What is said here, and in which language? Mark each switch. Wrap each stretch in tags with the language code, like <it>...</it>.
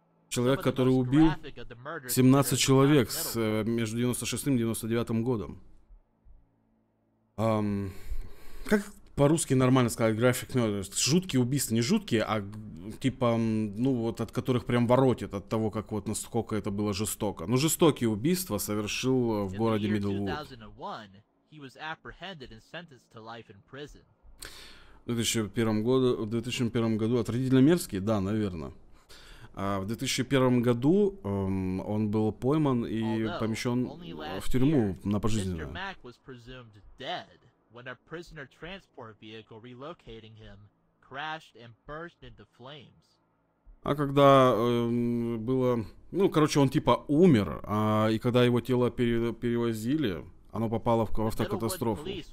<ru>Человек, который убил 17 человек между 96 и 99 годом. Как по-русски нормально сказать</ru> <en>graphic murder?</en> <ru>Жуткие убийства, не жуткие, а типа, ну вот от которых прям воротит, от того, как вот насколько это было жестоко. Ну жестокие убийства совершил в городе Мидлвуд.</ru> <en>He was apprehended and sentenced to life in prison.</en> <ru>В 2001 году отвратительно мерзкий, да, наверное. В 2001 году он был пойман и помещен в тюрьму на пожизненное.</ru> <en>Mr. Mac was presumed dead when a prisoner transport vehicle relocating him crashed and burst into flames.</en> <ru>А когда было, ну, короче, он типа умер, и когда его тело перевозили, оно попало в автокатастрофу.</ru>